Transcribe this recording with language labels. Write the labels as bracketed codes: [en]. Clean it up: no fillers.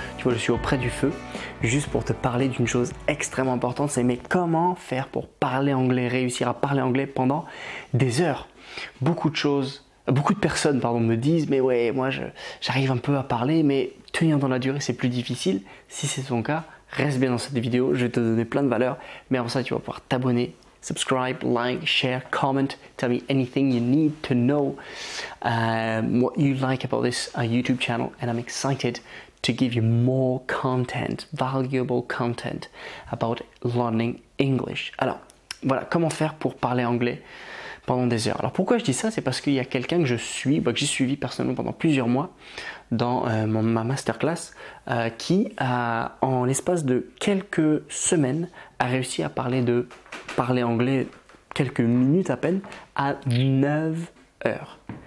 [fr] Tu vois, je suis auprès du feu juste pour te parler d'une chose extrêmement importante, c'est mais comment faire pour parler anglais, réussir à parler anglais pendant des heures. Beaucoup de personnes me disent mais ouais, moi j'arrive un peu à parler mais tenir dans la durée c'est plus difficile. Si c'est ton cas, reste bien dans cette vidéo, je vais te donner plein de valeurs, mais avant ça tu vas pouvoir t'abonner. [en] Subscribe, like, share, comment, tell me anything you need to know, what you like about this YouTube channel, and I'm excited to give you more content, valuable content about learning English. [fr] Alors, voilà, comment faire pour parler anglais pendant des heures? Alors, pourquoi je dis ça? C'est parce qu'il y a quelqu'un que je suis, que j'ai suivi personnellement pendant plusieurs mois dans ma masterclass, qui, en l'espace de quelques semaines, a réussi à parler anglais quelques minutes à peine à 9 heures.